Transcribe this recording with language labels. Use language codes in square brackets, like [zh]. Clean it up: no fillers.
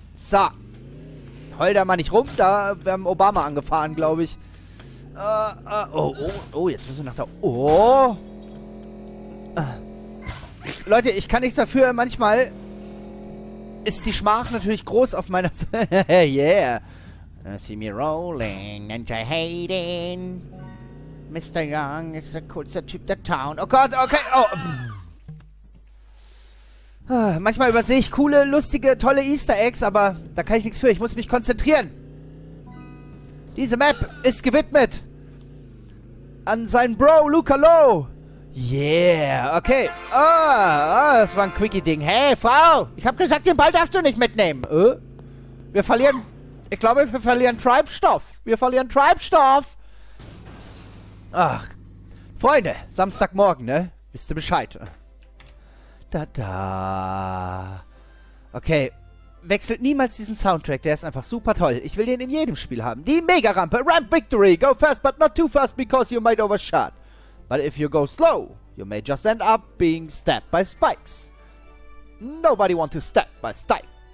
[de] So. Heul da mal nicht rum. Da wir haben Obama angefahren, glaube ich. Jetzt müssen wir nach da. Oh. Leute, ich kann nichts dafür. Manchmal ist die Schmach natürlich groß auf meiner Seite. [en] Yeah. See me rolling and I hate it. Mr. [de] Young ist der coolste Typ der Town. Oh Gott, okay. Oh. Manchmal übersehe ich coole, lustige, tolle Easter Eggs, aber da kann ich nichts für. Ich muss mich konzentrieren. Diese Map ist gewidmet an seinen Bro, Luca Low. Yeah, okay. Oh, oh, das war ein Quickie-Ding. Hey, Frau, ich habe gesagt, den Ball darfst du nicht mitnehmen. Wir verlieren... Ich glaube, wir verlieren Treibstoff. Wir verlieren Treibstoff. Ach. Freunde, Samstagmorgen, ne? Wisst ihr Bescheid? Da. Okay. Wechselt niemals diesen Soundtrack. Der ist einfach super toll. Ich will den in jedem Spiel haben. Die Mega-Rampe. Ramp Victory. [en] Go fast, but not too fast, because you might overshot. But if you go slow, you may just end up being stabbed by spikes. Nobody want to step by spikes?